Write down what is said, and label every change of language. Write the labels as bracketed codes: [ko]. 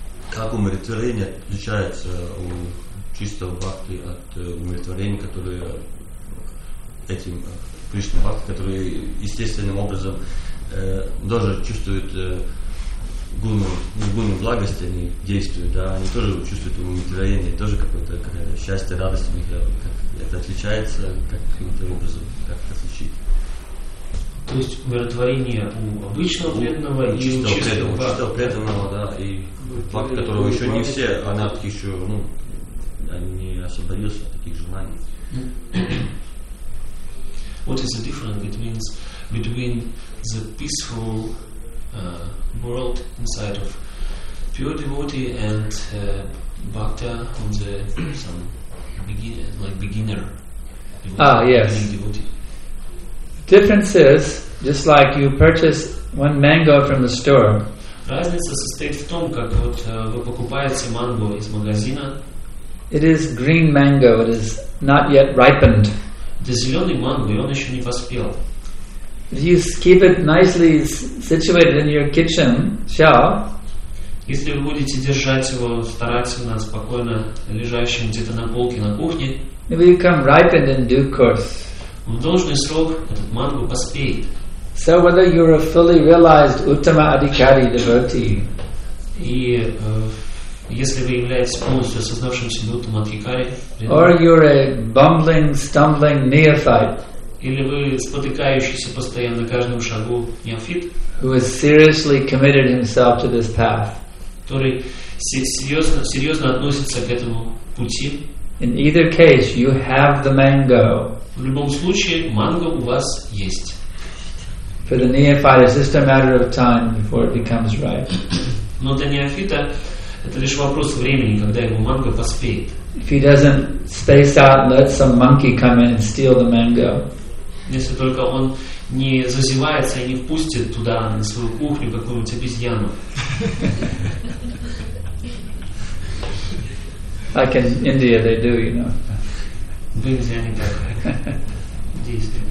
[ru] Как умиротворение отличается у чистого бхакти от умиротворения, которое этим Кришна бхакти, который естественным образом тоже чувствует гуну благости, они действуют, да, они тоже чувствуют умиротворение, тоже какое-то счастье, радость у них, как это отличается, каким-то образом, как это отличить. То есть умиротворение у обычного преданного и чистого преданного, да, и факт, которого еще не все, она так еще, ну, не освободилась от таких желаний. [en] What is the difference between the peaceful world inside of pure devotee and bhakta on the some beginner devotee? Difference is, just like you purchase one mango from the store. [ru] Разница состоит в том, как вот вы покупаете манго из магазина. [en] It is green mango, it is not yet ripened. [ru] Это зеленый манго, и он еще не поспел. [en] If you keep it nicely situated in your kitchen shelf. [ru] Если вы будете держать его старательно, спокойно, лежащим где-то на полке на кухне. [en] It will become ripened in due course. [ru] В должный срок этот манго поспеет. [en] So whether you're a fully realized Uttama Adhikari devotee. [ru] И если вы являетесь полностью осознавшимся Uttama Adhikari. [en] Or you're a bumbling, stumbling neophyte. [ru] Или вы спотыкающийся постоянно на каждом шагу неофит. [en] Who has seriously committed himself to this path. [ru] Который серьезно относится к этому пути. [en] In either case, you have the mango. [ru] В любом случае, манго у вас есть. [en] For the neophyte, it's just a matter of time before it becomes ripe. [ru] Но для неофита это лишь вопрос времени, когда его манго поспеет. [en] If he doesn't space out and let some monkey come in and steal the mango. [ru] Если только он не зазевается и не впустит туда на свою кухню какую-нибудь обезьяну. [en] Like in India, they do, you know. [ru] В Индии они так действуют.